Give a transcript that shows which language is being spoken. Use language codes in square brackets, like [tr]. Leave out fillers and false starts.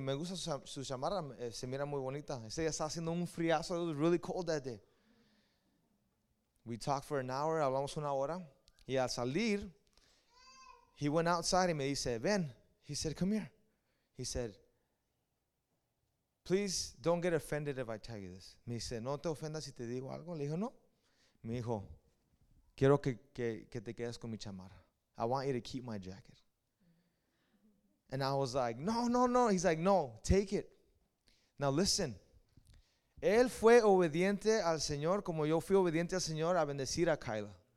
[es] Me gusta su chamarra, se mira muy bonita. Ese ya está haciendo un friazo, [en] it was really cold that day. We talked for an hour, [es] hablamos una hora. Y al salir, [en] he went outside [es] y me dice, ven. [en] He said, come here. He said, please don't get offended if I tell you this. [es] Me dice, no te ofendas si te digo algo. Le dijo, no. Me dijo, quiero que te quedes con mi chamarra. [en] I want you to keep my jacket. And I was like, no, no, no. He's like, no, take it. Now listen. [es] Él fue obediente al Señor como yo fui obediente al Señor a bendecir a Kyla.